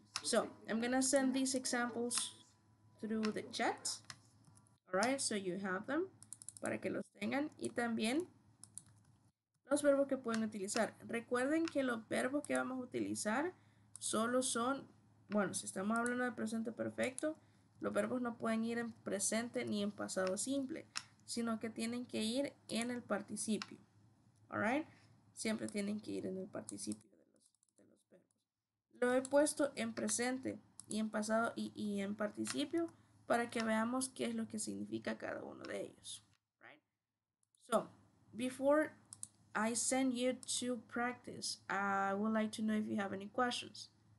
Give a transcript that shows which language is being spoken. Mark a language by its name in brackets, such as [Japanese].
[English] So I'm gonna send these examples through the chat. All right, so you have them. [Spanish] Para que los tengan y también los verbos que pueden utilizar. Recuerden que los verbos que vamos a utilizar solo son, bueno, si estamos hablando de presente perfecto, los verbos no pueden ir en presente ni en pasado simple, sino que tienen que ir en el participio. All right? Siempre tienen que ir en el participio de los verbos. Lo he puesto en presente y en pasado y en participio para que veamos qué es lo que significa cada uno de ellos. [English] So, before I send you to practice, I would like to know if you have any questions.